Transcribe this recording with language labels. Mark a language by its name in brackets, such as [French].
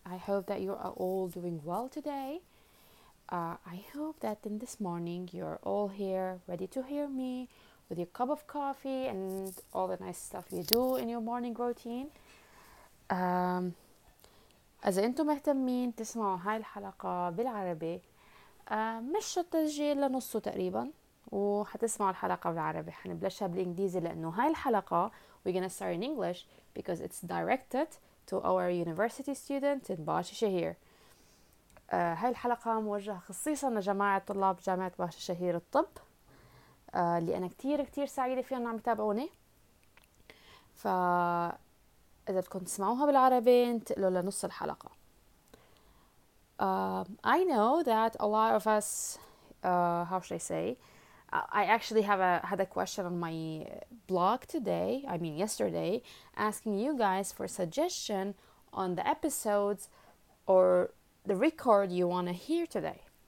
[English] I hope that you are all doing well today. I hope that in this morning you're all here ready to hear me with your cup of coffee and all the nice stuff you do in your morning routine. [Arabic] إذا أنتم مهتمين تسمعوا هاي الحلقة بالعربي مش شو التسجيل لنصه تقريبا وحتسمعوا الحلقة بالعربي حنبلشها بالإنجليزي لأنه هاي الحلقة [English] we're gonna start in English because it's directed to our university student [Arabic] in باشي شهير. هاي الحلقة موجهة خصيصا لجماعة طلاب جامعة باشي شهير الطب اللي أنا كتير سعيدة فيهم نعم يتابعوني. إذا بدكم تسمعوها بالعربي انتقلوا لنص الحلقة. [English] I know that a lot of us, how should I say, I actually had a question on my blog today, I mean yesterday, asking you guys for suggestion on the episodes or the record you want to hear today.